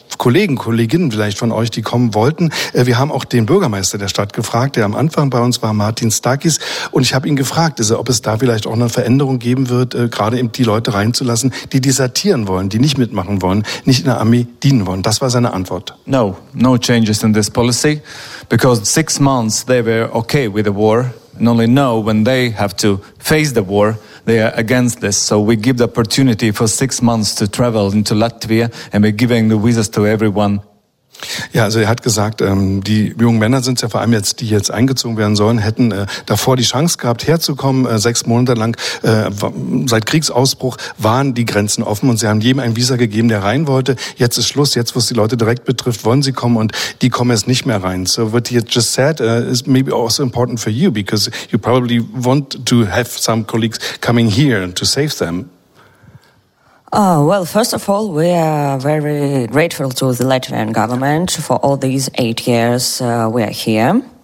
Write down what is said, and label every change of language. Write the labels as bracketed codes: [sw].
[de] Kollegen, Kolleginnen vielleicht von euch, die kommen wollten. Wir haben auch den Bürgermeister der Stadt gefragt, der am Anfang bei uns war, Martin Stakis. Und ich habe ihn gefragt, ob es da vielleicht auch eine Veränderung geben wird, gerade eben die Leute reinzulassen, die desertieren wollen, die nicht mitmachen wollen, nicht in der Armee dienen wollen. Das war seine Antwort. [en] No, no changes in this policy, because 6 months they were okay with the war. And only now, when they have to face the war, they are against this. So we give the opportunity for 6 months to travel into Latvia, and we're giving the visas to everyone. [de] Ja, also er hat gesagt, die jungen Männer sind es ja vor allem jetzt, die jetzt eingezogen werden sollen, hätten davor die Chance gehabt, herzukommen. 6 Monate lang, seit Kriegsausbruch, waren die Grenzen offen und sie haben jedem ein Visa gegeben, der rein wollte. Jetzt ist Schluss, jetzt, wo es die Leute direkt betrifft, wollen sie kommen und die kommen jetzt nicht mehr rein. [en] So what you just said is maybe also important for you, because you probably want to have some colleagues coming here to save them. Oh, well, first of all, we are very grateful to the Latvian government for all these 8 years we are here.